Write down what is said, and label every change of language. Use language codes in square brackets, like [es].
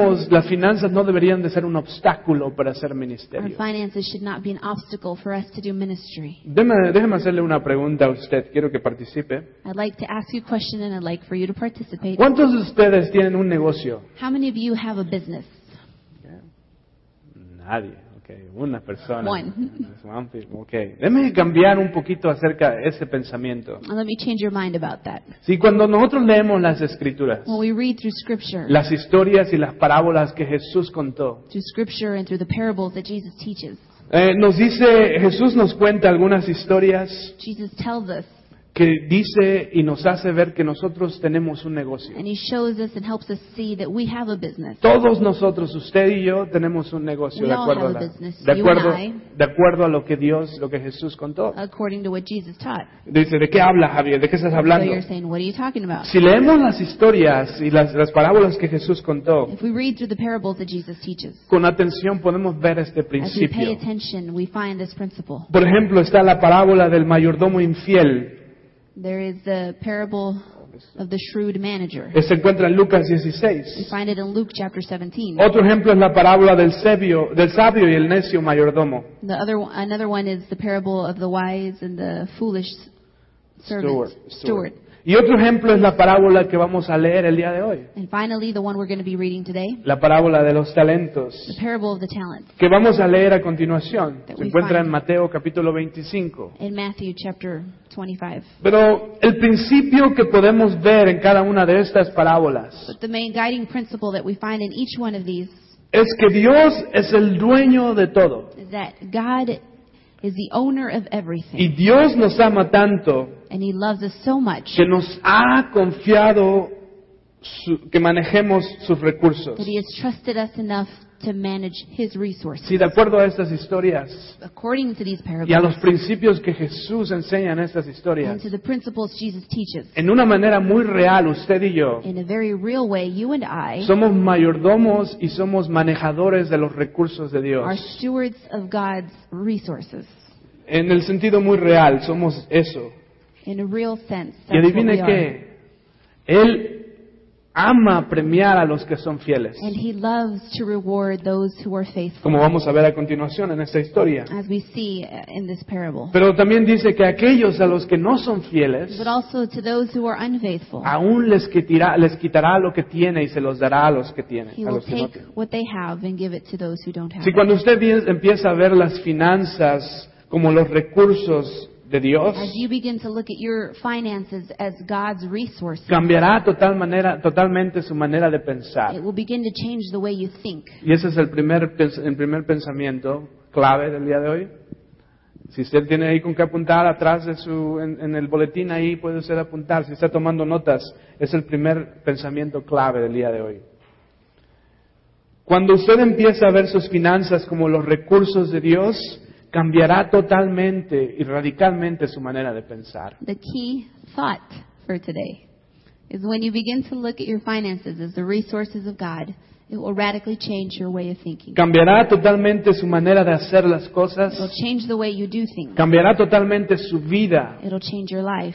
[es] Las finanzas no deberían de ser un obstáculo para hacer ministerio. [en] Our finances should not be an obstacle for us to do ministry. [es] Déjeme hacerle una pregunta a usted. Quiero que participe. [en] I'd like to ask you a question and I'd like for you to participate. [es] ¿Cuántos de ustedes tienen un negocio? [en] How many of you have a business? [es] Nadie. Okay. Una persona. [en] One. Okay. [es] Déjeme cambiar un poquito acerca de ese pensamiento. [en] Let me change your mind about that. [es] Sí, cuando nosotros leemos las escrituras, [en] when we read through scripture, [es] las historias y las parábolas que Jesús contó, [en] through scripture and through the parables that Jesus teaches, [es] nos dice, Jesús nos cuenta algunas historias. [en] Jesus tells us. [es] Que dice y nos hace ver que nosotros tenemos un negocio. [en] And he shows us and helps us see that we have a business. [es] Todos nosotros, usted y yo, tenemos un negocio. [en] We [es] de acuerdo [en] all have a business, [es] de acuerdo, [en] you and I. [es] De acuerdo a lo que Dios, lo que Jesús contó. [en] According to what Jesus taught. [es] Dice, ¿de qué habla, Javier? ¿De qué estás hablando? [en] So you're saying, what are you talking about? [es] Si leemos las historias y las parábolas que Jesús contó, [en] if we read through the parables that Jesus teaches, [es] con atención podemos ver este principio. [en] As we pay attention, we find this principle. [es] Por ejemplo, está la parábola del mayordomo infiel. [en] There is the parable of the shrewd manager. [es] Se encuentra en Lucas 16. [en] We find it in Luke chapter 17. [es] Otro ejemplo es la parábola del sabio y el necio mayordomo. [en] Another one is the parable of the wise and the foolish servant. Steward. [es] Y otro ejemplo es la parábola que vamos a leer el día de hoy. [en] And finally, the one we're going to be reading today, [es] la parábola de los talentos. [en] The parable of the talents, [es] que vamos a leer a continuación. Se encuentra en Mateo capítulo 25. [en] In Matthew chapter 25. [es] Pero el principio que podemos ver en cada una de estas parábolas, [en] but the main guiding principle that we find in each one of these, [es] es que Dios es el dueño de todo. [en] That God is the owner of everything. [es] Y Dios nos ama tanto, [en] and he loves us so much, [es] que nos ha confiado que manejemos sus recursos. [en] That he has trusted us enough to manage his resources. [es] Sí, de acuerdo a estas historias, [en] according to these parables, [es] y a los principios que Jesús enseña en estas historias, [en] and to the principles Jesus teaches, [es] en una manera muy real, usted y yo, [en] in a very real way, you and I, [es] somos mayordomos y somos manejadores de los recursos de Dios. [en] Are stewards of God's resources. [es] En el sentido muy real, somos eso. [en] In a real sense, [es] y adivine qué, él ama premiar a los que son fieles. [en] And he loves to reward those who are faithful. [es] Como vamos a ver a continuación en esta historia. [en] As we see in this parable. [es] Pero también dice que aquellos a los que no son fieles, [en] but also to those who are unfaithful, [es] aún les quitará lo que tiene y se los dará a los que tienen. [en] He will [es] a los que [en] take [es] no [en] what they have and give it to those who don't have. [es] Si cuando usted empieza a ver las finanzas como los recursos de Dios, [en] as you begin to look at your finances as God's resources, [es] cambiará totalmente su manera de pensar. [en] It will begin to change the way you think. [es] Y ese es el primer pensamiento clave del día de hoy. Si usted tiene ahí con qué apuntar atrás de su en el boletín ahí puede usted apuntar. Si está tomando notas, es el primer pensamiento clave del día de hoy. Cuando usted empieza a ver sus finanzas como los recursos de Dios, cambiará totalmente y radicalmente su manera de pensar. [en] The key thought for today. is when you begin to look at your finances as the resources of God, it will radically change your way of thinking. [es] Cambiará totalmente su manera de hacer las cosas. [en] It will change the way you do things. [es] Cambiará totalmente su vida. [en] It will change your life.